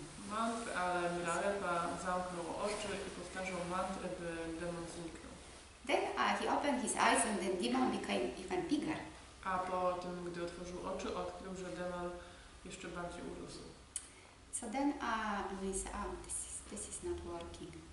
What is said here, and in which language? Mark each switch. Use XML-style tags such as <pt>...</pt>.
<pl>Mantra, ale Milarepa zamknął oczy i powtarzał mantrę, by demon zniknął.</pl> <en>Then he opened his eyes and the demon became even bigger.</en> <pl>A po tym, gdy otworzył oczy, odkrył, że demon jeszcze bardziej urósł.</pl> <en>So then he said, oh, this is not working.</en>